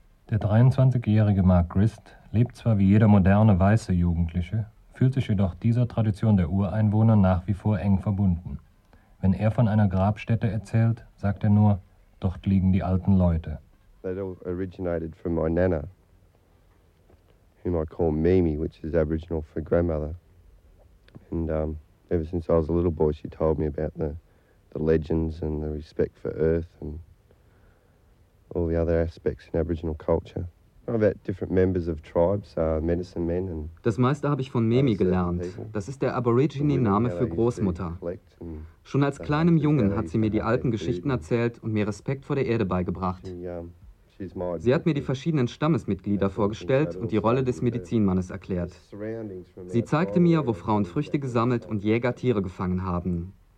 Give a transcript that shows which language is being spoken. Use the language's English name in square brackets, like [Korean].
[German] Der 23-jährige Mark Grist lebt zwar wie jeder moderne weiße Jugendliche, fühlt sich jedoch dieser Tradition der Ureinwohner nach wie vor eng verbunden. Wenn er von einer Grabstätte erzählt, sagt er nur, dort liegen die alten Leute. [English] That all originated from my Nana. Whom I call Mimi, which is Aboriginal for grandmother. And ever since I was a little boy, she told me about the legends and the respect for earth and all the other aspects in Aboriginal culture. About different members of tribes, medicine men and. [German] Das meiste habe ich von Mimi gelernt. Das ist der Aborigine-Name für Großmutter. Schon als kleinem Jungen hat sie mir die alten Geschichten erzählt und mir Respekt vor der Erde beigebracht. Sie hat mir die verschiedenen Stammesmitglieder vorgestellt und die Rolle des Medizinmannes erklärt. Sie zeigte mir, wo Frauen Früchte gesammelt und Jäger Tiere gefangen haben.